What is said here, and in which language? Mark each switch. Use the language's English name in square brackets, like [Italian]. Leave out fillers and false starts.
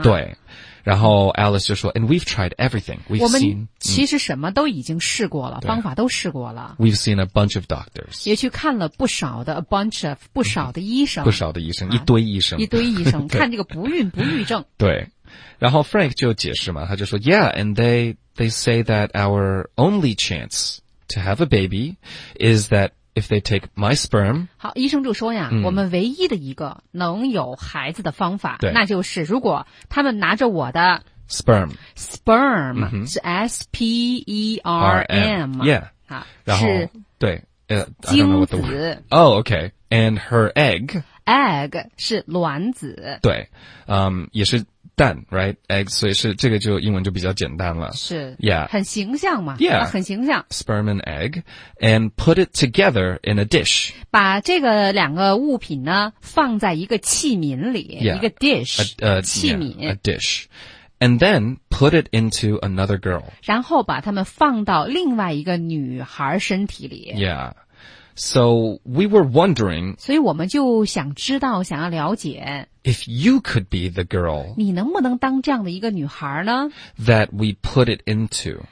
[Chinese] 对，然后 Alice 就说 [English] ，And we've tried everything， we've [Chinese] 我们其实什么都已经试过了，方法都试过了。 [English] We've seen a bunch of doctors， [Chinese] 也去看了不少的 [English] a bunch of [Chinese] 不少的医生，不少的医生，一堆医生，一堆医生看这个不孕不育症。对，然后 Frank 就解释嘛，他就说 ， [English] Yeah， and they。 They say that our only chance to have a baby is that if they take my sperm. [Chinese] 好，医生就说呀、嗯、我们唯一的一个能有孩子的方法，对，那就是如果他们拿着我的 [English] sperm、 [Chinese] 嗯、是 S-P-E-R-M, yeah, 然后对精子 [English] oh, okay, and her egg. [Chinese] Egg 是卵子，对、也是蛋 ，right? Egg， 所以是这个就英文就比较简单了，是 [English] ，yeah， [Chinese] 很形象嘛 [English] ，yeah，、 [Chinese] 很形象。 [English] Sperm and egg， and put it together in a dish。 [Chinese] 把这个两个物品呢放在一个器皿里， [English] yeah, [Chinese] 一个 dish， 器皿 [English] yeah, ，a dish， and then put it into another girl。 [Chinese] 然后把它们放到另外一个女孩身体里 [English] ，yeah。 So we were wondering. [Chinese] 所以我们就想知道，想要了解。 [English] If you could be the girl, [Chinese] 你能不能当这样的一个女孩呢 [English] ？That we put it into,